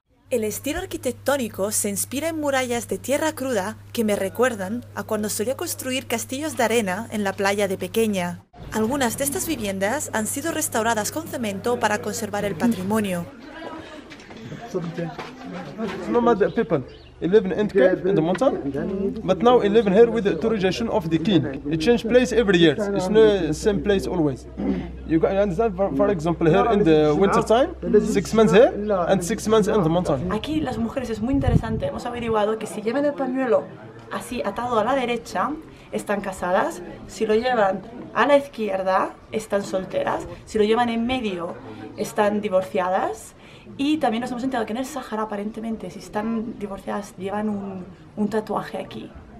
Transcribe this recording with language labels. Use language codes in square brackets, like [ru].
[es] El estilo arquitectónico se inspira en murallas de tierra cruda que me recuerdan a cuando solía construir castillos de arena en la playa de pequeña. Algunas de estas viviendas han sido restauradas con cemento para conservar el patrimonio. [en] No matter people. He lived in Entke, in the mountain, but now he lives here with the authorization of the king. He changed place every year. It's not the same place always. You understand, for example, here in the winter time, 6 months here and 6 months in the mountain. [es] Aquí las mujeres es muy interesante. Hemos averiguado que si llevan el pañuelo así atado a la derecha, están casadas. Si lo llevan a la izquierda, están solteras. Si lo llevan en medio, están divorciadas. Y también nos hemos enterado que en el Sahara, aparentemente, si están divorciadas, llevan un tatuaje aquí.